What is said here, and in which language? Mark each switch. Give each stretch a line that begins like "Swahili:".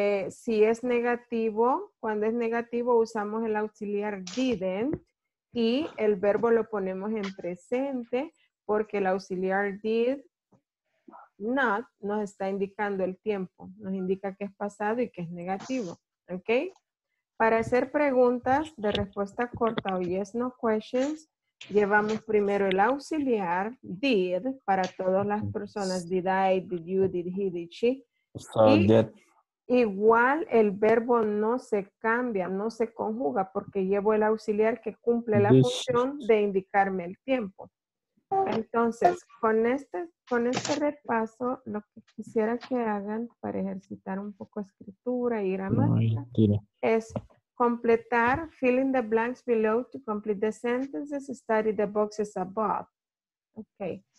Spanish: Si es negativo, cuando es negativo usamos el auxiliar didn't y el verbo lo ponemos en presente porque el auxiliar did not nos está indicando el tiempo. Nos indica que es pasado y que es negativo. Okay. Para hacer preguntas de respuesta corta o yes no questions, llevamos primero el auxiliar did para todas las personas.
English: Did I, did you, did he, did she.
Spanish: Igual el verbo no se cambia, no se conjuga porque llevo el auxiliar que cumple la función de indicarme el tiempo. Entonces, con este repaso, lo que quisiera que hagan para ejercitar un poco escritura y gramática es completar,
English: fill in the blanks below to complete the sentences, study the boxes above.
Spanish: Okay.